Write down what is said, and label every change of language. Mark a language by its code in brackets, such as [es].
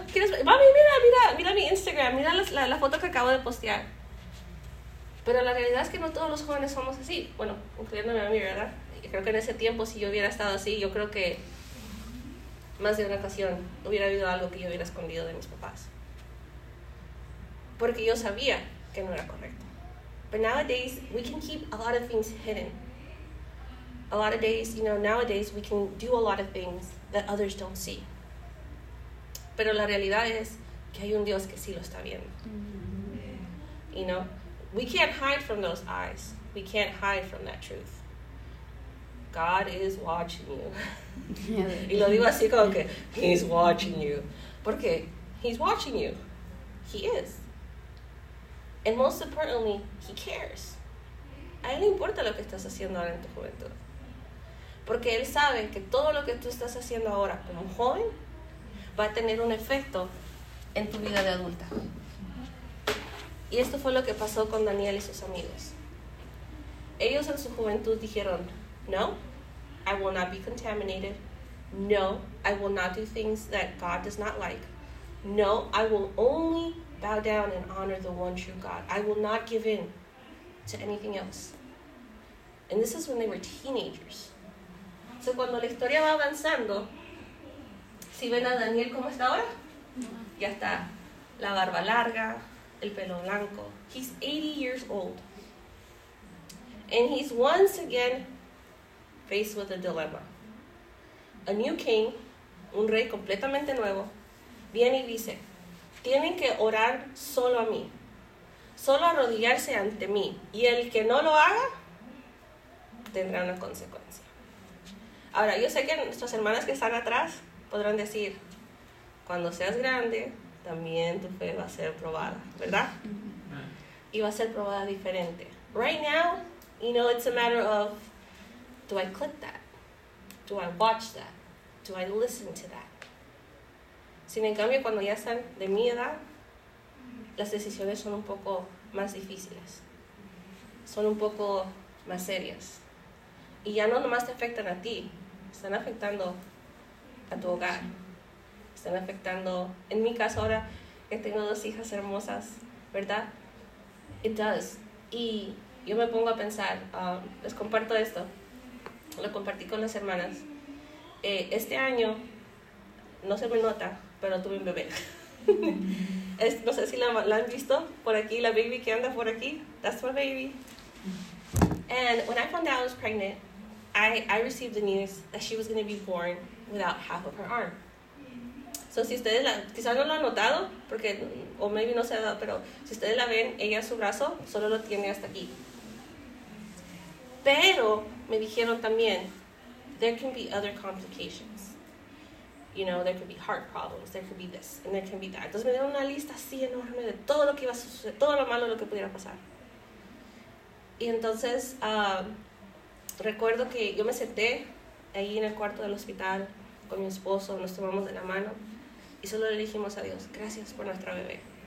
[es] ¿Quieres? Mami, mira mi Instagram, mira la foto que acabo de postear. Pero la realidad es que no todos los jóvenes somos así. Bueno, incluyéndome a mí, ¿verdad? Y creo que en ese tiempo, si yo hubiera estado así, yo creo que más de una ocasión hubiera habido algo que yo hubiera escondido de mis papás. Porque yo sabía que no era correcto. [en] But nowadays, we can keep a lot of things hidden. A lot of days, you know, nowadays we can do a lot of things that others don't see. [es] Pero la realidad es que hay un Dios que sí lo está viendo. [en] You know, we can't hide from those eyes. We can't hide from that truth. God is watching you. [es] Y lo digo así como que, [en] he's watching you. [es] ¿Por qué? [en] He's watching you. He is. And most importantly, he cares. [es] A él le importa lo que estás haciendo ahora en tu juventud. Porque él sabe que todo lo que tú estás haciendo ahora como joven va a tener un efecto en tu vida de adulta. Y esto fue lo que pasó con Daniel y sus amigos. Ellos en su juventud dijeron, no, [en] I will not be contaminated. No, I will not do things that God does not like. No, I will only bow down and honor the one true God. I will not give in to anything else. And this is when they were teenagers. [es] So cuando la historia va avanzando, si ven a Daniel como está ahora, ya está la barba larga, el pelo blanco. [en] He's 80 years old. And he's once again faced with a dilemma. A new king, [es] un rey completamente nuevo, viene y dice, tienen que orar solo a mí, solo arrodillarse ante mí, y el que no lo haga, tendrá una consecuencia. Ahora, yo sé que nuestras hermanas que están atrás podrán decir, cuando seas grande, también tu fe va a ser probada, ¿verdad? Y va a ser probada diferente. [en] Right now, you know, it's a matter of, do I click that? Do I watch that? Do I listen to that? [es] Sin embargo, cuando ya están de mi edad, las decisiones son un poco más difíciles. Son un poco más serias. Y ya no nomás te afectan a ti, están afectando a tu hogar. Están afectando, en mi caso ahora, que tengo dos hijas hermosas, ¿verdad? [en] It does. [es] Y yo me pongo a pensar, les comparto esto. Lo compartí con las hermanas. Este año, no se me nota, pero tuve un bebé. No sé si la han visto por aquí, la baby que anda por aquí. [en] That's my baby. And when I found out I was pregnant, I received the news that she was going to be born without half of her arm. [es] So si ustedes quizás no lo han notado, porque, o maybe no se ha dado, pero si ustedes la ven, ella su brazo solo lo tiene hasta aquí. Pero me dijeron también, [en] there can be other complications. You know, there could be heart problems, there could be this, and there can be that. [es] Entonces me dieron una lista así enorme de todo lo que iba a suceder, todo lo malo lo que pudiera pasar. Y entonces, recuerdo que yo me senté ahí en el cuarto del hospital con mi esposo, nos tomamos de la mano y solo le dijimos a Dios, gracias por nuestra bebé.